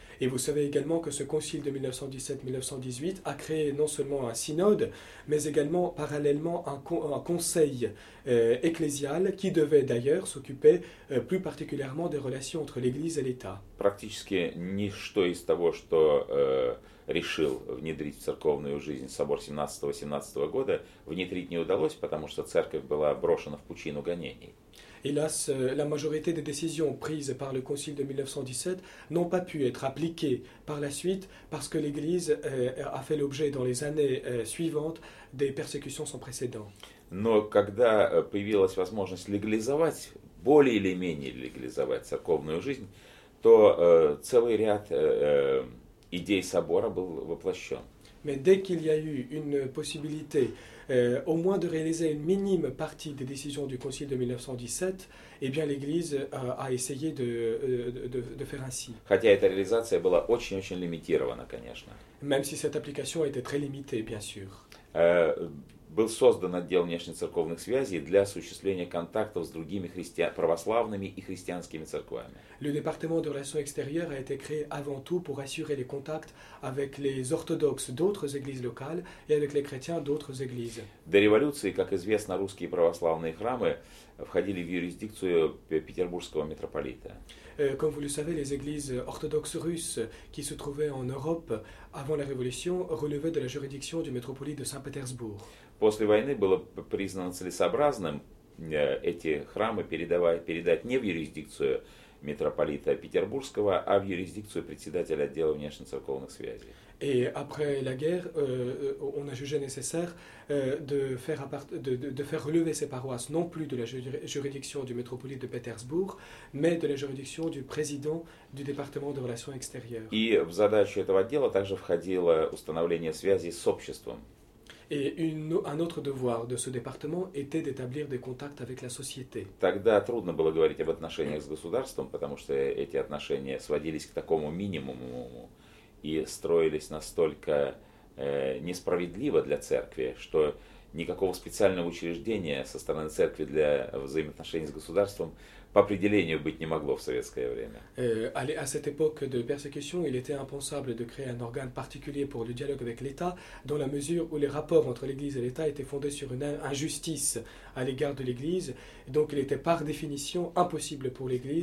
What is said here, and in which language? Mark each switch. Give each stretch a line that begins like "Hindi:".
French: Et vous savez également que ce concile de 1917-1918 a créé non seulement un synode, mais également parallèlement un conseil ecclésial qui devait d'ailleurs s'occuper plus particulièrement des relations entre l'Église et l'État.
Russian: Практически ничто из того, что решил внедрить в церковную жизнь собор 17-18 года, внедрить не удалось, потому что церковь была брошена в пучину гонений.
French: Hélas, la majorité des décisions prises par le concile de 1917 n'ont pas pu être appliquées par la suite parce que l'Église a fait l'objet dans les années suivantes des persécutions sans précédent.
Russian: Но когда появилась возможность легализовать, более или менее легализовать церковную жизнь, то целый ряд идей собора был воплощен.
French: Mais dès qu'il y a eu une possibilité au moins de réaliser une minime partie des décisions du concile de 1917, eh bien l'Église a essayé de faire ainsi.
Russian: Хотя эта реализация была очень-очень лимитирована, конечно.
French: Même si cette application était très limitée, bien sûr.
Russian: Был создан отдел внешнецерковных связей для осуществления контактов с другими православными и христианскими церквами.
French: Le département de relations extérieures a été créé avant tout pour assurer les contacts avec les orthodoxes d'autres églises locales et avec les chrétiens d'autres églises.
Russian: До революции, как известно, русские православные храмы входили в юрисдикцию петербургского митрополита.
French: Comme vous le savez, les églises orthodoxes russes qui se trouvaient en Europe avant la Révolution relevaient de la juridiction du métropolite de Saint-Pétersbourg.
Russian: После войны было признано целесообразным эти храмы передать не в юрисдикцию митрополита Петербургского, а в юрисдикцию председателя отдела внешнецерковных связей.
French: Et après la guerre, on a jugé nécessaire de faire relever ces paroisses non plus de la juridiction du métropolite de Pétersbourg, mais de la juridiction du président du département de relations extérieures.
Russian: И в задачу этого отдела также входило установление связи с обществом.
French: Et un autre devoir de ce département était d'établir des contacts avec la société.
Russian: Тогда трудно было говорить об отношениях с государством, потому что эти отношения сводились к такому минимуму и строились настолько несправедливо для церкви, что никакого специального учреждения со стороны церкви для взаимоотношений с государством по определению быть не могло в советское время.
French: À cette époque de persécution, il était impensable de créer un organe particulier pour le dialogue avec l'État, dans la mesure où les rapports entre l'Église et l'État étaient fondés sur une injustice à l'égard de l'Église, donc il était par définition impossible pour l'Église